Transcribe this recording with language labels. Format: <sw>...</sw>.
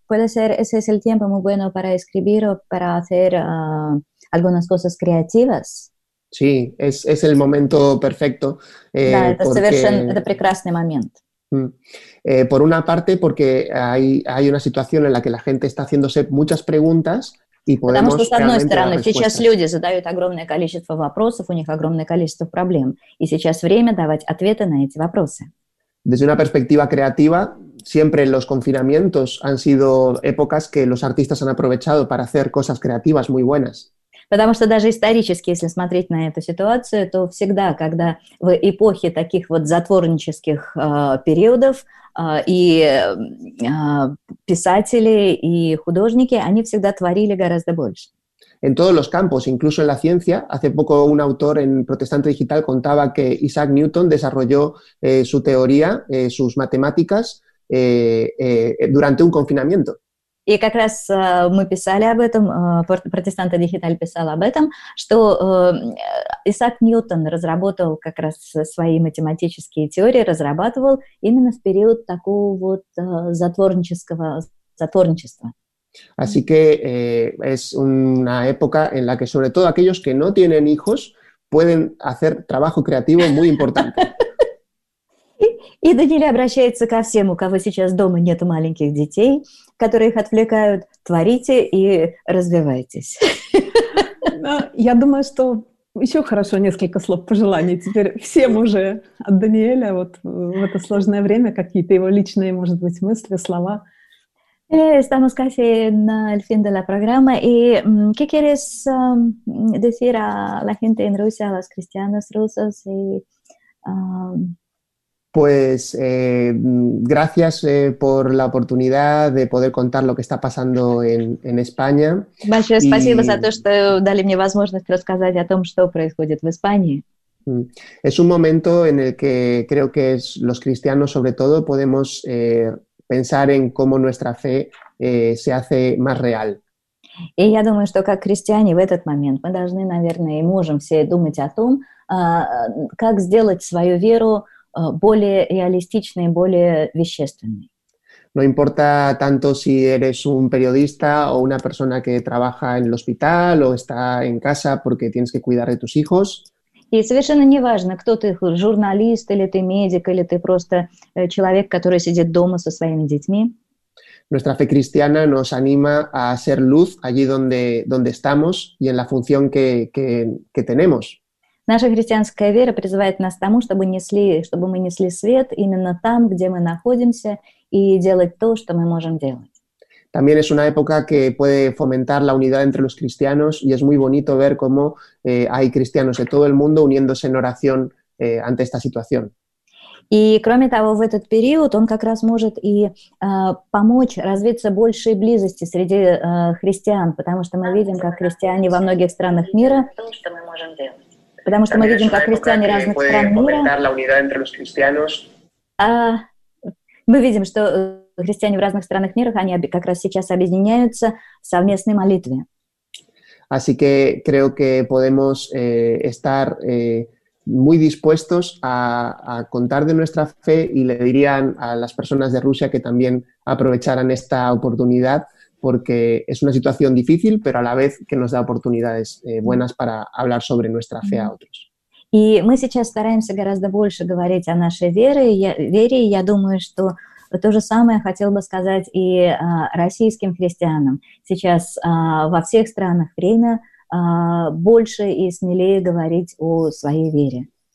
<es>¿Puede ser ese es el tiempo muy bueno para escribir o para hacer algunas cosas creativas? Sí, es el momento perfecto. Es el perfecto momento. Por una parte, porque hay una situación en la que la gente está haciéndose muchas preguntas.</es> <ru>Потому что, с одной стороны, сейчас люди задают огромное количество вопросов, у них огромное количество проблем, и сейчас время давать ответы на эти вопросы.</ru> <es>Desde una perspectiva creativa, siempre los confinamientos han sido épocas que los artistas han aprovechado para hacer cosas creativas muy buenas.</es> <ru>Потому что даже исторически, если смотреть на эту ситуацию, то всегда, когда в эпохе таких вот затворнических периодов, и писатели, и художники, они всегда творили гораздо больше.</ru> <es>En todos los campos, incluso en la ciencia, hace poco un autor en Protestante Digital contaba que Isaac Newton desarrolló su teoría, sus matemáticas, durante un confinamiento.</es> <ru>И как раз мы писали об этом, Протестанты Дигиталь писал об этом, что Исаак Ньютон разработал как раз свои математические теории, разрабатывал именно в период такого вот затворничества.</ru> <es>Así que es una época en la que sobre todo aquellos que no tienen hijos pueden hacer trabajo creativo muy importante.</es> <ru>И Даниэль обращается ко всем, у кого сейчас дома нет маленьких детей, которые их отвлекают, творите и развивайтесь. Я думаю, что еще хорошо несколько слов пожеланий теперь всем уже от Даниэля вот в это сложное время, какие-то его личные, может быть, мысли, слова.</ru> <es>Estamos casi al fin de la programa. ¿Y qué quieres decir a la gente en Rusia, a los cristianos rusos y... Pues gracias por la oportunidad de poder contar lo que está pasando en España.</es> <ru>Большое спасибо за то, что дали мне возможность рассказать о том, что происходит в Испании.</ru> <es>Es un momento en el que creo que es los cristianos sobre todo podemos pensar en cómo nuestra fe se hace más real.</es> <ru>И я думаю, что как христиане в этот момент мы должны, наверное, и можем все думать о том, как сделать свою веру более реалистичные, более вещественные.</ru> <es>No importa tanto si eres un periodista o una persona que trabaja en el hospital o está en casa porque tienes que cuidar de tus hijos.</es> <ru>И совершенно не важно, кто ты, журналист, или ты медик, или ты просто человек, который сидит дома со своими детьми.</ru> <es>Nuestra fe cristiana nos anima a ser luz allí donde estamos y en la función que tenemos.</es> <ru>Наша христианская вера призывает нас к тому, чтобы мы несли свет именно там, где мы находимся, и делать то, что мы можем делать.</ru> <es>También es una época que puede fomentar la unidad entre los cristianos, y es muy bonito ver cómo hay cristianos de todo el mundo uniéndose en oración ante esta situación.</es> <ru>И кроме того, в этот период он как раз может и помочь развиться большей близости среди христиан, потому что мы видим, как христиане во многих странах мира... Потому что</ru> <es>También</es> <ru>мы видим, как христиане разных стран мира. Мы видим, что христиане в разных странах мира, они как раз сейчас объединяются в совместной молитве.</ru> <es>Así que creo que podemos estar muy dispuestos a contar de nuestra fe y le dirían a las personas de Rusia que también aprovecharan esta oportunidad, porque es una situación difícil, pero a la vez que nos da oportunidades buenas para hablar sobre nuestra fe a otros.</es> <ru>Y мы сейчас стараемся гораздо больше говорить о нашей вере, вере, и я думаю, что то же самое хотел бы сказать и российским христианам. Сейчас во всех странах время больше и смелее говорить о своей вере.</ru>